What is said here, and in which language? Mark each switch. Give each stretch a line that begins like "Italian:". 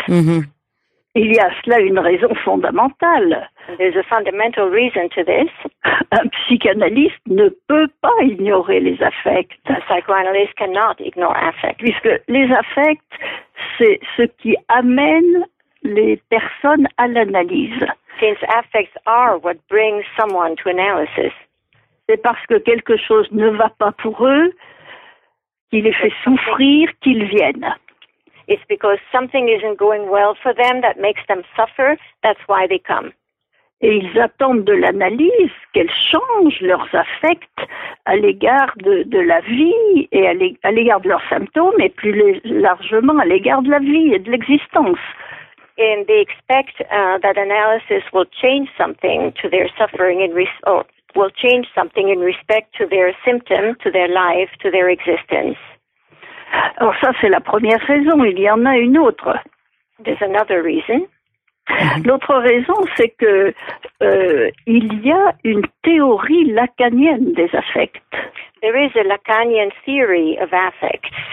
French: Mm-hmm. Il y a cela une raison fondamentale.
English: There's a fundamental reason to this.
French: Un psychanalyste ne peut pas ignorer les affects.
English: A psychoanalyst cannot ignore affect.
French: Puisque les affects, c'est ce qui amène les personnes à l'analyse.
English: Since affects are what brings someone to analysis.
French: C'est parce que quelque chose ne va pas pour eux qu'il les fait souffrir qu'ils viennent.
English: It's because something isn't going well for them that makes them suffer, that's why they come.
French: Et ils attendent de l'analyse qu'elle change leurs affects à l'égard de la vie et à l'égard de leurs symptômes et plus largement à l'égard de la vie et de l'existence.
English: And they expect that analysis will change something to their suffering will change something in respect to their symptoms, to their life, to their existence.
French: Alors ça, c'est la première raison. Il y en a une autre.
English: There's another reason.
French: L'autre raison, c'est que il y a une théorie lacanienne des affects.
English: There is a Lacanian theory of affects.